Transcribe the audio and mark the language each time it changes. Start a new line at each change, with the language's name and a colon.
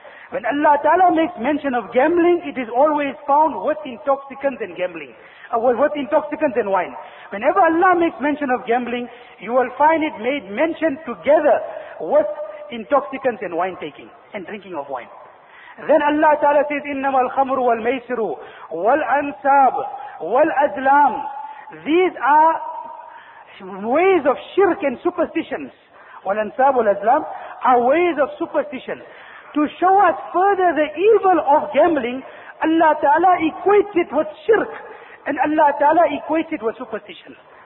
English: When Allah Ta'ala makes mention of gambling, it is always found with intoxicants and gambling. With intoxicants and wine. Whenever Allah makes mention of gambling, you will find it made mention together with intoxicants and wine taking and drinking of wine. Then Allah Ta'ala says,
Arabic: إِنَّمَا الْخَمْرُ وَالْمَيْسِرُ وَالْأَنْسَابُ وَالْأَزْلَامُ.
English: These are ways of shirk and superstitions.
Arabic: وَالْأَنْسَابُ وَالْأَزْلَامُ
English: are ways of superstition. To show us further the evil of gambling, Allah Ta'ala equates it with shirk. And Allah Ta'ala equates it with superstition.